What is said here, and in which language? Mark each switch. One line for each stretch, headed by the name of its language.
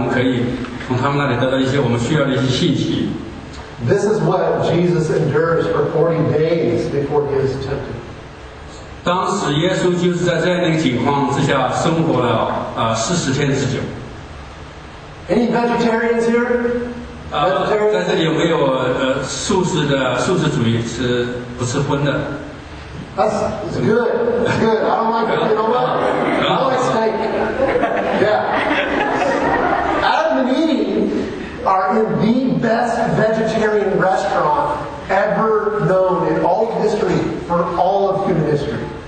Chinese: 当我们要处罚一个罪犯或者战争的敌人的时候，我们就会把他们放在一个很孤独的地方来折磨他们，这样我们可以从他们那里得到一些我们需要的一些信息。
English: This is what Jesus endures for 40 days before he is tempted.
Chinese: 当时耶稣就是在这样的情况之下生活了40天之久。
English: Any vegetarians here?
Chinese: 在这里有没有素食的素食主义吃不吃荤的？
English: That's good. Good. I don't like it. You know what? I like steak. Yeah. Adam and Eve are in the best vegetarian restaurant ever known in all history for all of human history.